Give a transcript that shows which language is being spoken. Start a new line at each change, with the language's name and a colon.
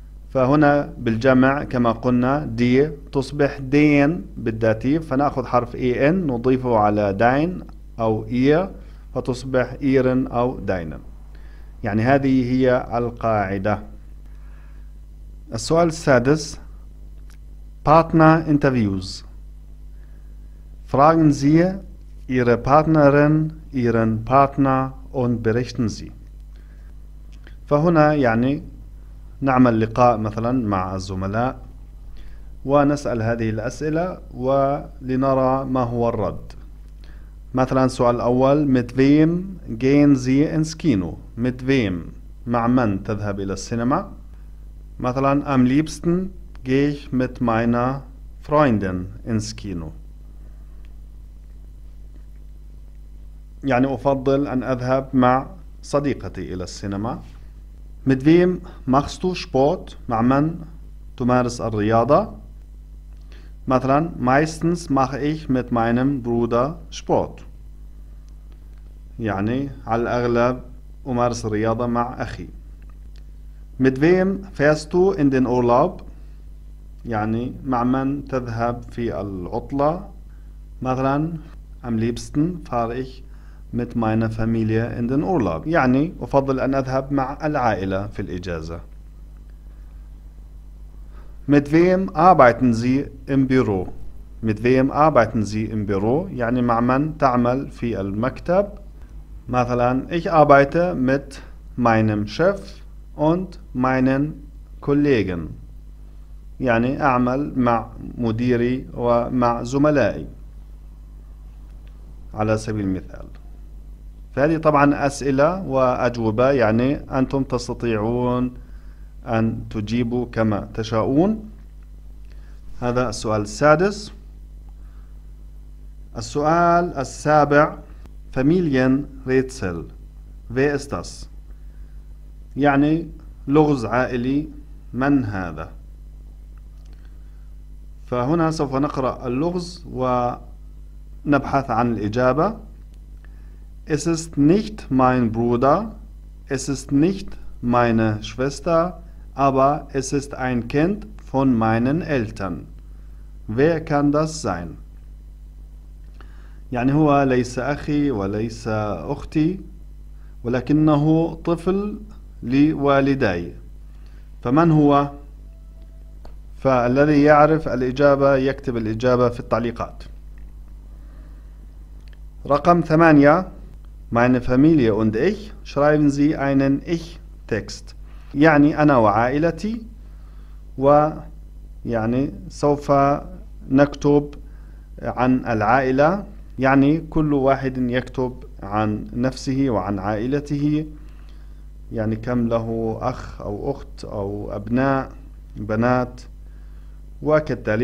Arabic: فهنا بالجمع كما قلنا دي تصبح دين بالداتيف، فنأخذ حرف اي ان نضيفه على داين أو إير فتصبح إيرن أو داينن. يعني هذه هي القاعدة. السؤال السادس
English: partner interviews.
German: Fragen Sie Ihre Partnerin, Ihren Partner und berichten Sie.
Arabic: فهنا يعني نعمل لقاء مثلا مع الزملاء ونسأل هذه الأسئلة ولنرى ما هو الرد. مثلا سؤال أول
German: mit wem gehen Sie ins Kino? Mit wem؟
Arabic: مع من تذهب إلى السينما؟ مثلا
German: am liebsten gehe ich mit meiner Freundin ins Kino.
Arabic: يعني أفضل أن أذهب مع صديقتي إلى السينما.
German: Mit wem machst du Sport؟
Arabic: مع من تمارس الرياضة؟ مثلا
German: meistens mache ich mit meinem Bruder Sport.
Arabic: يعني على الأغلب أمارس الرياضة مع أخي.
German: Mit wem fährst du in den Urlaub؟
Arabic: يعني مع من تذهب في العطلة؟ مثلا
German: am liebsten fahre ich mit meiner Familie in den Urlaub،
Arabic: يعني أفضل أن أذهب مع العائلة في الإجازة.
German: Mit wem arbeiten Sie im Büro؟ Mit wem arbeiten Sie im Büro؟
Arabic: يعني مع من تعمل في المكتب؟ مثلا
German: ich arbeite mit meinem Chef und meinen Kollegen،
Arabic: يعني أعمل مع مديري ومع زملائي على سبيل المثال. فهذه طبعا أسئلة وأجوبة، يعني أنتم تستطيعون أن تجيبوا كما تشاءون. هذا السؤال السادس. السؤال السابع
German: familien rätsel wer ist das،
Arabic: يعني لغز عائلي من هذا. فهنا سوف نقرأ اللغز ونبحث عن الإجابة.
German: Es ist nicht mein Bruder, es ist nicht meine Schwester, aber es ist ein Kind von meinen Eltern. Wer kann das sein؟
Arabic: يعني هو ليس أخي وليس أختي ولكنه طفل لوالدي، فمن هو؟ فالذي يعرف الإجابة يكتب الإجابة في التعليقات. رقم ثمانية
German: Meine Familie und ich schreiben Sie einen Ich-Text.
Arabic: يعني أنا وعائلتي، ويعني سوف نكتب عن العائلة، يعني كل واحد يكتب عن نفسه وعن عائلته، يعني كم له أخ أو أخت أو أبناء بنات وكالتالي.